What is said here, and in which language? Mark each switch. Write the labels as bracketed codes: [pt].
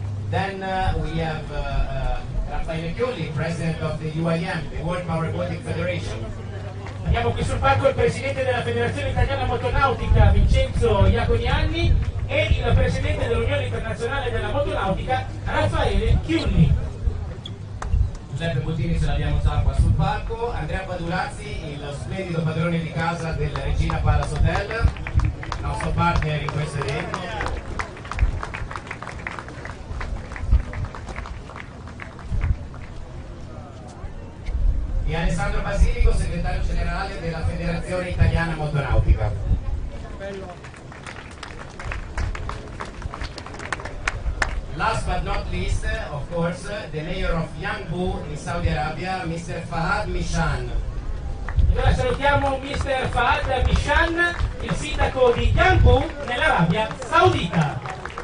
[en] Then we have Raffaele Chiulli, president of the UIM, the World Power Boating Federation. [it] Abbiamo qui sul palco il presidente della Federazione Italiana Motonautica, Vincenzo Iaconiani, e il presidente dell'Unione Internazionale della Motonautica, Raffaele Chiulli. Giuseppe Bottini, ce l'abbiamo già qua sul palco. Andrea Padurazzi, il splendido padrone di casa del Regina Palace Hotel, nostro partner in questo evento. E Alessandro Basilico, segretario generale della Federazione Italiana Motonautica. Bello. [en] Last but not least, of course, the mayor of Yanbu in Saudi Arabia, Mr. Fahad Mishan. [it] Allora salutiamo Mr. Fahad Mishan, il sindaco di Yanbu nell'Arabia Saudita.